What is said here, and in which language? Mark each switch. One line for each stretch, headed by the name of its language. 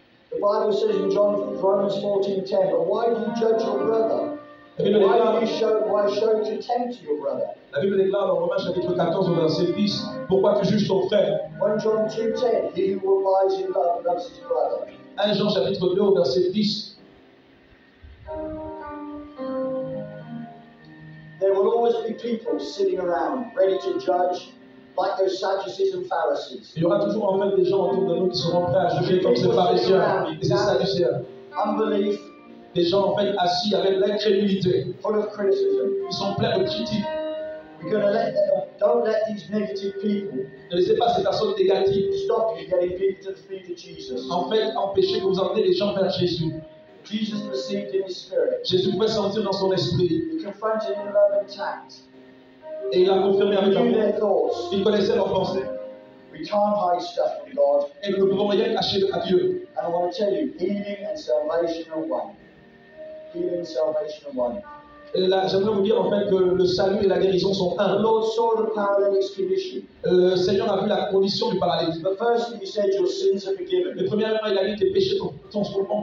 English: The Bible says in Romans 14:10, but why do you judge your brother? Why show contempt to your brother?
French: La Bible déclare en Romains chapitre 14, verset 10, pourquoi tu juges ton frère?
English: 1 John 2:10, he who abides in love loves his brother.
French: 1 Jean chapitre 2, verset 10.
English: There will always be people sitting around, ready to judge. Like those Sadducees and Pharisees.
French: Il y aura toujours en fait des gens autour de nous qui seront prêts à juger comme ces pharisiens et ces sadducéens.
English: Unbelief.
French: Des gens en fait assis avec l'incrédulité.
English: Full of criticism.
French: Ils sont pleins de critiques.
English: You're gonna let them, don't let these negative people.
French: Ne laissez pas ces personnes négatives.
English: Stop you getting people to the feet of Jesus.
French: En fait, empêchez que vous emmenez les gens vers Jésus.
English: Jesus perceived in His spirit.
French: Jésus pouvait sentir dans son esprit.
English: He confronted in love and tact.
French: Et il a confirmé avec amour. Il connaissait leurs pensées.
English: We can't hide stuff from God.
French: Et nous ne pouvons rien cacher à Dieu.
English: And I want to tell you, healing and salvation are one. Healing and salvation are one.
French: Là, j'aimerais vous dire en fait que le salut et la guérison sont un. Le Seigneur a vu la condition du paralytique. Le premier moment, il a dit tes péchés sont